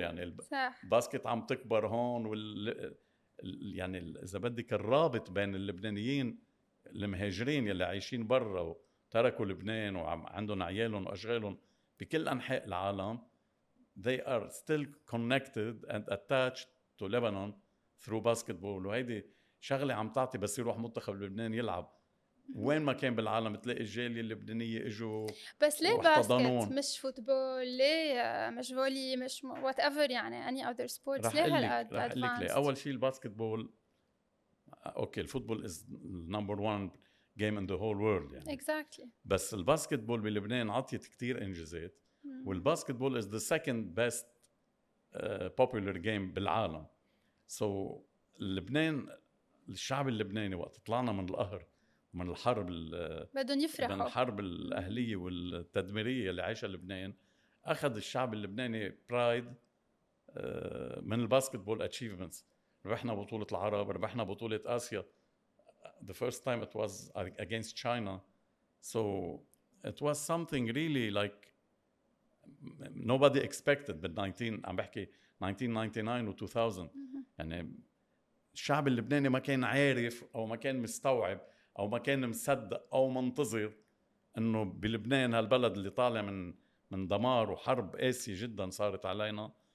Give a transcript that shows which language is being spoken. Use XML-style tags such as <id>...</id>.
<ar>يعني الباسكت عم تكبر هون, يعني إذا بدك الرابط بين اللبنانيين المهاجرين يلي عايشين برا وتركوا لبنان وعندهم عيالهم وأشغالهم بكل أنحاء العالم,</ar> <en>they are still connected and attached to Lebanon through basketball.</en> <ar>وهيدي شغلة عم تعطي, بس يروح منتخب لبنان يلعب وين ما كان بالعالم تلاقي الجالية اللبنانية اجوا. بس ليه باسكت مش فوتبول؟ ليه مش فولي؟ مش whatever يعني</ar> <en>any other sports؟</en> <ar>رح ليه هالقد advanced؟ ليه. اول شيء الباسكتبول اوكي,</ar> <en>الفوتبول is number one game in the whole world يعني. Exactly.</en> <ar>بس الباسكتبول بلبنان عطيت كتير انجازات, والباسكتبول</ar> <en>is the second best popular game</en> <ar>بالعالم. So لبنان الشعب اللبناني وقت طلعنا من القهر من الحرب بدهم يفرحوا, من الحرب الأهلية والتدميرية اللي عايشة لبنان, أخذ الشعب اللبناني برايد من الباسكتبول achievements. ربحنا بطولة العرب, ربحنا بطولة آسيا</ar> <en>the first time it was against China. So it was something really like nobody expected but</en> <ar>19 عم بحكي 1999 و 2000 يعني الشعب اللبناني ما كان عارف أو ما كان مستوعب او ما كان مصدق او منتظر انه بلبنان هالبلد اللي طالع من دمار وحرب قاسية جدا صارت علينا,</ar>